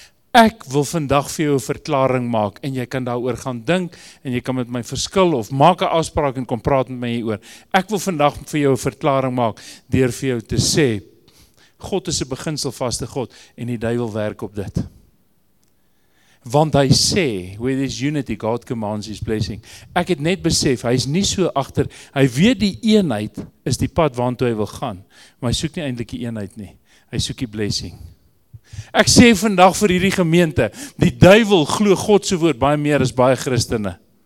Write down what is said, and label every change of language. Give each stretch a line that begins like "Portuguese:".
Afrikaans: Ek wil vandag vir jou 'n verklaring maak en jy kan daaroor gaan dink en jy kan met my verskil of maak 'n afspraak en kom praat met my hieroor. Ek wil vandag vir jou 'n verklaring maak deur vir jou te sê, God is 'n beginselvaste God en die duivel werk op dit. Want hy sê,
English: where there's unity, God commands his blessing.
Afrikaans: Ek het net besef, hy is nie so agter, hy weet die eenheid is die pad waartoe hy wil gaan, maar hy soek nie eintlik die eenheid nie, hy soek die blessing. Ek sê vandag vir hierdie gemeente, die duivel glo God se woord baie meer as baie Christene.